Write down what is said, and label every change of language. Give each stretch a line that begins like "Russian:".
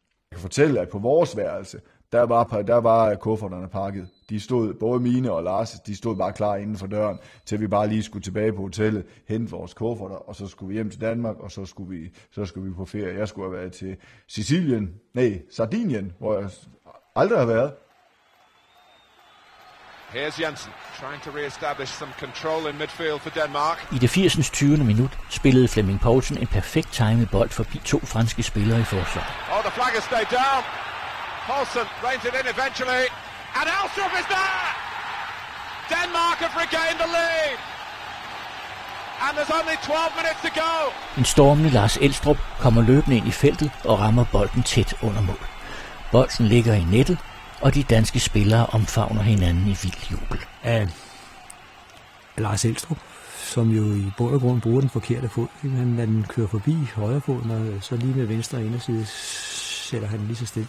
Danish: Jeg kan fortælle, at på vores værelse, der var kufferterne pakket. De stod, både mine og Lars, de stod bare klar inden for døren, til vi bare lige skulle tilbage på hotellet, hente vores kufferter, og så skulle vi hjem til Danmark, og så skulle vi på ferie. Jeg skulle have været til Sardinien, hvor jeg aldrig har været.
English: Here's Jensen, trying to re-establish some control in midfield for Denmark.
Danish: I det 80's 20. minut spillede Flemming Poulsen en perfekt timet bold forbi to franske spillere i forsvar.
English: Oh, the flag has stayed down. Poulsen reins it in eventually. And Elstrup is there! Denmark have regained the lead. And there's only 12 minutes to go.
Danish: En stormende Lars Elstrup kommer løbende ind i feltet og rammer bolden tæt under mål. Bolden ligger i nettet, og de danske spillere omfavner hinanden i vild jubel. Af Lars Elstrup, som jo i bund og grund bruger den forkerte fod, men han kører forbi højre fod, og så lige med venstre inderside sætter han lige så stille.